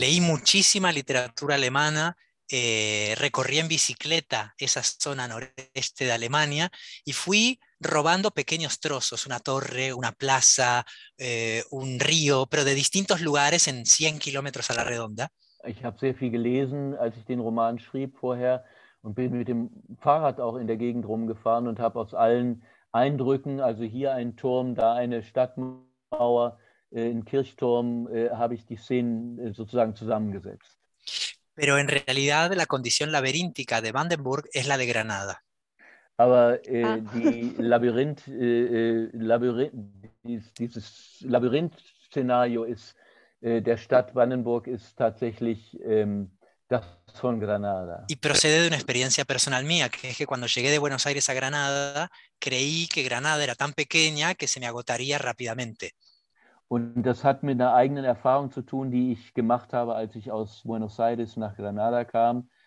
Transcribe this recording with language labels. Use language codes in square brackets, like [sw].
[es] Leí muchísima literatura alemana, recorrí en bicicleta esa zona noreste de Alemania y fui robando pequeños trozos, una torre, una plaza, un río, pero de distintos lugares en 100 kilómetros a la redonda. [de] Ich habe sehr viel gelesen, als ich den Roman schrieb vorher und bin mit dem Fahrrad auch in der Gegend rumgefahren und habe aus allen Eindrücken, also hier ein Turm, da eine Stadtmauer, ein Kirchturm, habe ich die Szenen sozusagen zusammengesetzt. [es] Pero en realidad la condición laberíntica de Brandenburg es la de Granada. [de] Aber die Labyrinth, dieses Labyrinth-Szenario ist der Stadt Brandenburg ist tatsächlich das von Granada. [es] Y procede de una experiencia personal mía, que es que cuando llegué de Buenos Aires a Granada, creí que Granada era tan pequeña que se me agotaría rápidamente. [de] Und das hat mit einer eigenen Erfahrung zu tun, die ich gemacht habe, als ich aus Buenos Aires nach Granada kam.